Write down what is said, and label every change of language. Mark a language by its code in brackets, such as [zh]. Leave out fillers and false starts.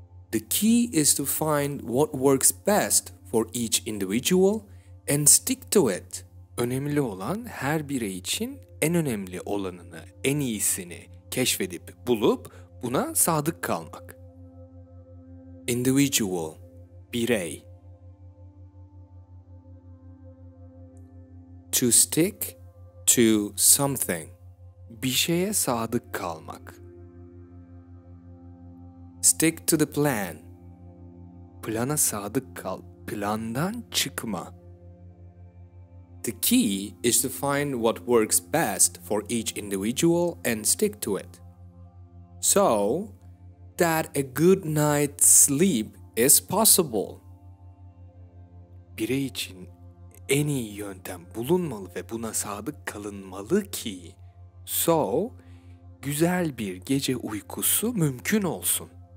[en] The key is to find what works best for each individual and stick to it. [tr] Önemli olan her birey için en önemli olanını, en iyisini keşfedip bulup buna sadık kalmak. [en] Individual, [tr] birey. [en] To stick to something. [tr] Bir şeye sadık kalmak. [en] Stick to the plan. [tr] Plana sadık kal. Plandan çıkma. [en] The key is to find what works best for each individual and stick to it. So that a good night's sleep is possible. [tr] Birey için en iyi yöntem bulunmalı ve buna sadık kalınmalı ki, so güzel bir gece uykusu mümkün olsun.